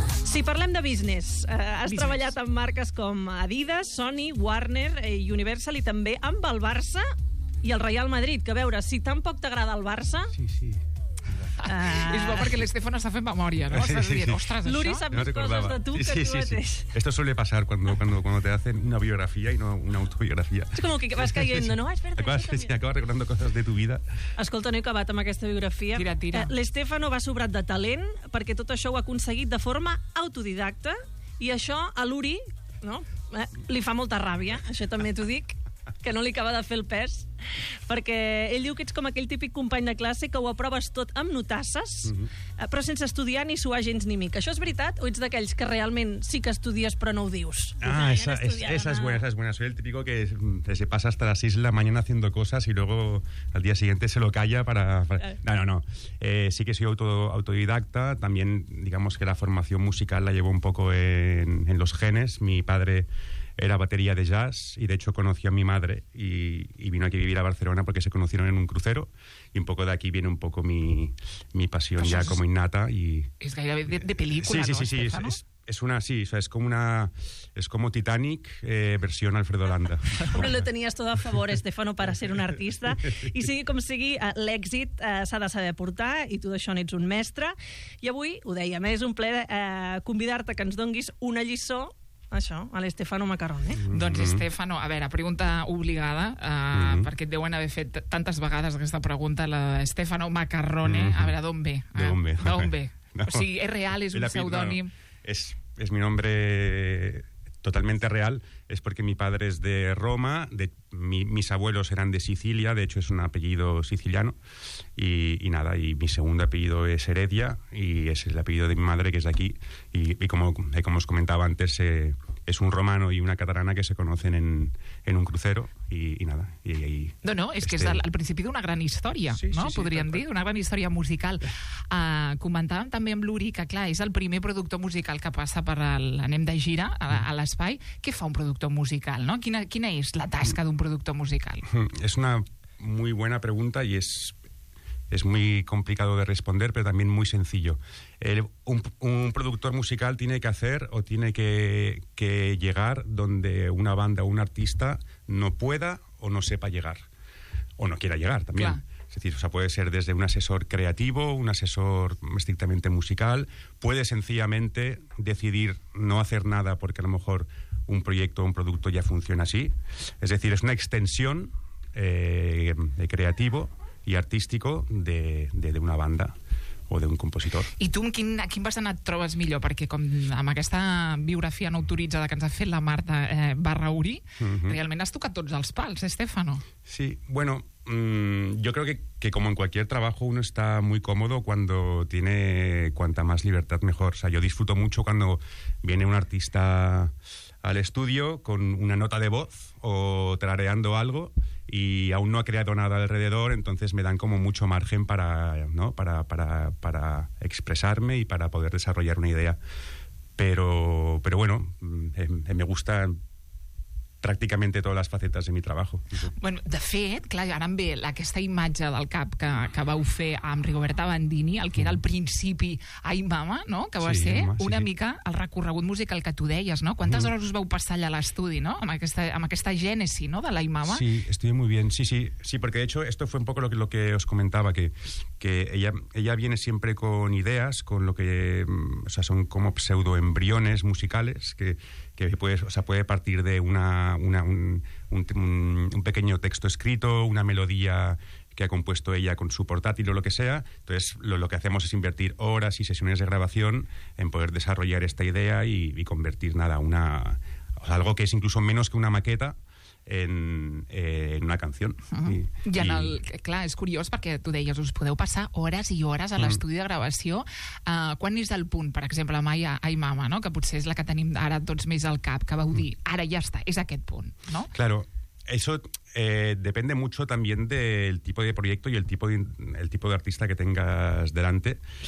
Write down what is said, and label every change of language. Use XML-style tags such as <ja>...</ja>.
<ca>Si parlem de business, has treballat amb marques com Adidas, Sony, Warner i Universal, i també amb el Barça... i el Real Madrid, que a veure, si tampoc t'agrada el Barça... Sí. És bo perquè l'Estefano està fent memòria, no? Ostres, això... L'Uri sap més coses de tu que tu mateix.</ca> <es>Esto suele pasar cuando te hacen una biografía y no una autobiografía. Es como que vas cayendo, ¿no? Acabas recordando cosas de tu vida.</es> <ca>Escolta, no he acabat amb aquesta biografia. Tira. L'Estefano va sobrat de talent perquè tot això ho ha aconseguit de forma autodidacta i això a l'Uri, no?, li fa molta ràbia, això també t'ho dic. Que no li acaba de fer el pes, perquè ell diu que ets com aquell típic company de classe que ho aproves tot amb notasses, però sense estudiar ni suar gens ni mica. Això és veritat o ets d'aquells que realment sí que estudies però no ho dius?</ca> <es>Esa es buena. Soy el típico que se pasa hasta las 6 de la mañana haciendo cosas y luego al día siguiente se lo calla para... No. Sí que soy autodidacta, también digamos que la formación musical la llevo un poco en los genes. Mi padre era batería de jazz y de hecho conocí a mi madre y vino aquí a vivir a Barcelona porque se conocieron en un crucero y un poco de aquí viene un poco mi pasión.</es> <ca>Això</ca> <es>ya es, como innata y</es> <ca>es gairebé de película.</ca> <es>Es como Titanic versión Alfredo Landa.</es> <ca>Però</ca> <es>lo tenías todo a favor, Stefano, para ser un artista.</es> <ca>I sigui com sigui, l'èxit s'ha de saber portar i tu d'això n'ets un mestre. I avui, ho deia, és un plaer convidar-te que ens donguis una lliçó. Això, a l'Estefano Maccarone. Doncs, Estefano, a veure, pregunta obligada, perquè et deuen haver fet tantes vegades aquesta pregunta, la d'Estefano Maccarone. A veure, d'on ve? D'on ve? No. O sigui, és real, és un pseudònim?</ca> <es>És mi nombre totalmente real. Es porque mi padre es de Roma, mis abuelos eran de Sicilia, de hecho es un apellido siciliano, y nada, y mi segundo apellido es Heredia, y es el apellido de mi madre, que es de aquí, y como os comentaba antes, es un romano y una catalana que se conocen en un crucero, y nada. Y No, es que es al principio de una gran historia, sí, ¿no? Sí,</es> <ca>podríem sí, dir, una gran historia musical. Comentàvem també amb l'Uri que, clar, és el primer productor musical que passa per l'Anem de Gira, a l'espai. Què fa un productor musical, no? Quina és la tasca d'un productor musical?</ca> <es>Es una muy buena pregunta y es... es muy complicado de responder, pero también muy sencillo. Un productor musical tiene que hacer o tiene que llegar donde una banda o un artista no pueda o no sepa llegar, o no quiera llegar también. Claro. Es decir, o sea, puede ser desde un asesor creativo, un asesor estrictamente musical, puede sencillamente decidir no hacer nada porque a lo mejor un proyecto o un producto ya funciona así. Es decir, es una extensión de creativo y artístico de una banda o de un compositor. I tu a quin vessant et trobes millor? Perquè com amb aquesta biografia no autoritzada que ens ha fet la Marta Barrauri, realment has tocat tots els pals, Stefano. Sí, bueno, yo creo que como en cualquier trabajo uno está muy cómodo cuando tiene cuanta más libertad mejor. O sea, yo disfruto mucho cuando viene un artista al estudio con una nota de voz o tarareando algo y aún no ha creado nada alrededor, entonces me dan como mucho margen para, ¿no?, para expresarme y para poder desarrollar una idea. Pero bueno, me gusta</es> <ca>pràcticament totes les facetes de mi treball. Bueno, de fet, clar, ara em ve aquesta imatge del cap que vau fer amb Rigoberta Bandini, el que era el principi Ai Mama, no?, que va ser mica el recorregut musical que tu deies, no? Quantes hores us vau passar allà a l'estudi, no?, amb aquesta gènesi, no?, de l'Ai Mama.</ca> <es>Sí, estuve muy bien. Sí, porque de hecho esto fue un poco lo que os comentaba, que ella viene siempre con ideas, con lo que, o sea, son como pseudoembriones musicales que pues, o sea, puede partir de un pequeño texto escrito, una melodía que ha compuesto ella con su portátil o lo que sea. Entonces, lo que hacemos es invertir horas y sesiones de grabación en poder desarrollar esta idea y convertir nada, algo que es incluso menos que una maqueta, en una canción. Uh-huh.</es> <ca>I en el, clar, és curiós perquè tu deies, us podeu passar hores i hores a l'estudi de gravació. Quan és el punt, per exemple, amb Ai Mama, no?, que potser és la que tenim ara tots més al cap, que vau dir, ara ja està, és aquest punt, no?</ca> <es>Claro, eso depende mucho también del tipo de proyecto y el tipo de artista que tengas delante.</es>